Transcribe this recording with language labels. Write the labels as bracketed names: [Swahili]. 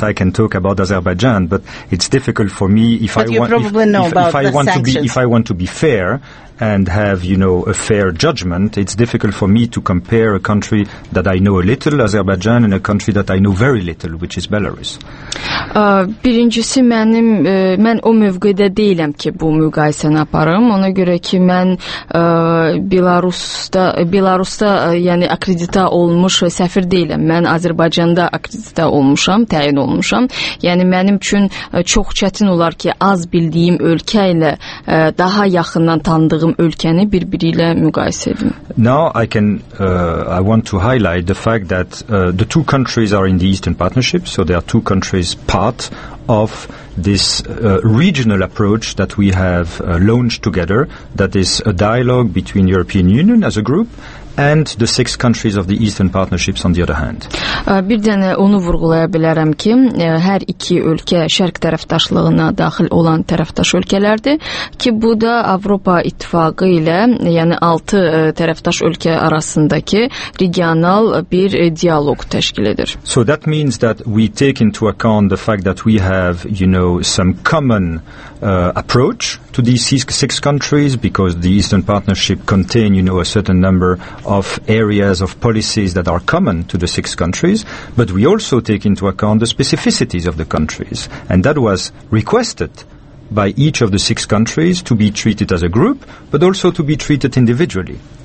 [English] I can talk about Azerbaijan, but it's difficult for me if I want to be fair and have, you know, a fair judgment. It's difficult for me to compare a country that I know a little, Azerbaijan, and a country that I know very little, which is Belarus. [Azerbaijani] Birincisi, mən o mövqedə deyiləm ki, bu müqayisəni aparım. Ona görə ki, mən Belarusda yəni akredita olmuş səfir deyiləm. Mən Azərbaycanda akredita olmuşam, təyin olmuşam. Yəni, mənim üçün çox çətin olar ki, az bildiyim ölkə ilə daha yaxından tanıdığım ölkəni bir-biri ilə müqayisə edim. [English] Now I can I want to highlight the fact that the two countries are in the Eastern Partnership, so they are two countries part of this regional approach that we have launched together, that is a dialogue between European Union as a group and the six countries of the Eastern Partnerships on the other hand. [Azerbaijani] Bir dənə onu vurğulaya bilərəm ki, hər iki ölkə şərq tərəfdaşlığına daxil olan tərəfdaş ölkələrdir ki, bu da Avropa İttifaqı ilə, yəni 6 tərəfdaş ölkə arasındakı regional bir dialoq təşkil edir. [English] So that means that we take into account the fact that we have, you know, some common approach to these six countries, because the Eastern Partnership contain, you know, a certain number of areas of policies that are common to the six countries, but we also take into account the specificities of the countries, and that was requested by each of the six countries to be treated as a group, but also to be treated individually.